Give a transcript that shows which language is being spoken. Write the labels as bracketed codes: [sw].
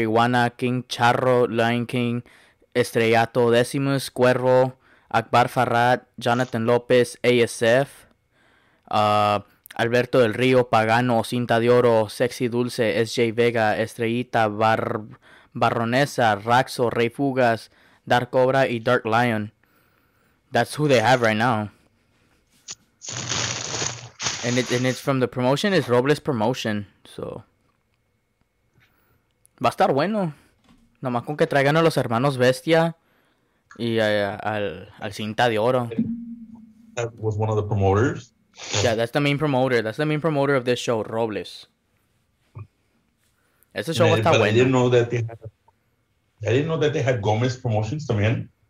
[es] Iguana, King Charro, Lion King, Estrellato, Decimus, Cuervo, Akbar Farrat, Jonathan Lopez, ASF, Alberto del Río, Pagano, Cinta de Oro, Sexy Dulce, SJ Vega, Estrellita, Barronesa, Raxo, Rey Fugas, Dark Cobra, y Dark Lion. [en] That's who they have right now. And it's from the promotion, it's Robles Promotion, so. [es] Va a estar bueno. Nomás con que traigan a los hermanos Bestia y al Cinta de Oro. [en] That was one of the promoters. Yeah, that's the main promoter. That's the main promoter of this show, Robles. [es] Ese show está bueno. [en] I didn't know that they had Gomez Promotions [es] también.